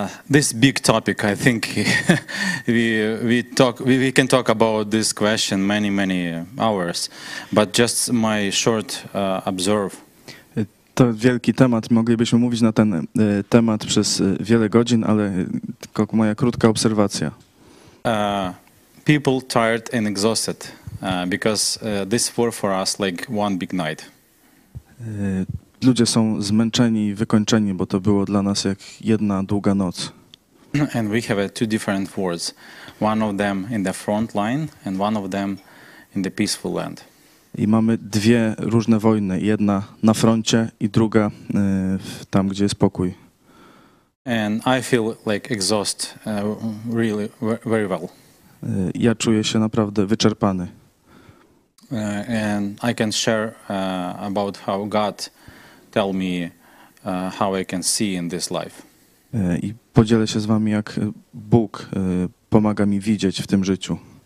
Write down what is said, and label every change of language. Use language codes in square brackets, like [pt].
[en] This big topic, I think we can talk about this question many hours, but just my short observe. [pl] To wielki temat, moglibyśmy mówić na ten temat przez wiele godzin, ale tylko moja krótka obserwacja. [en] people tired and exhausted because this war for us like one big night. [pl] Ludzie są zmęczeni i wykończeni, bo to było dla nas jak jedna długa noc. [en] And we have two different wars. One of them in the front line and one of them in the peaceful land. [pl] I mamy dwie różne wojny, jedna na froncie i druga tam, gdzie jest pokój. [en] And I feel like exhausted really very well. [pl] Ja czuję się naprawdę wyczerpany. [en] And I can share about how God tell me how I can see in this life. [pl] I podzielę się z wami, jak Bóg pomaga mi widzieć w tym życiu.